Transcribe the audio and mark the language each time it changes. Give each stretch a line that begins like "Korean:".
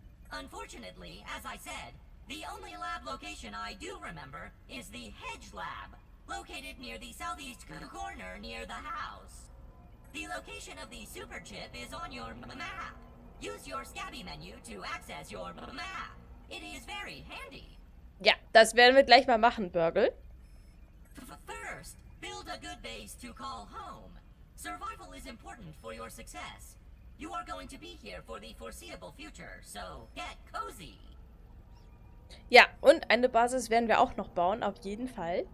English: Unfortunately, as I said, the only lab location I do remember is the Hedge Lab, located near the southeast corner near the house. The location of the super chip is on your map. Use your scabby menu to access your map. It is very handy.
German: Ja, das werden wir gleich mal machen, Burgle.
English: First, build a good base to call home. Survival is important for your success. You are going to be here for the foreseeable future, so get cozy.
German: Ja, und eine Basis werden wir auch noch bauen, auf jeden Fall.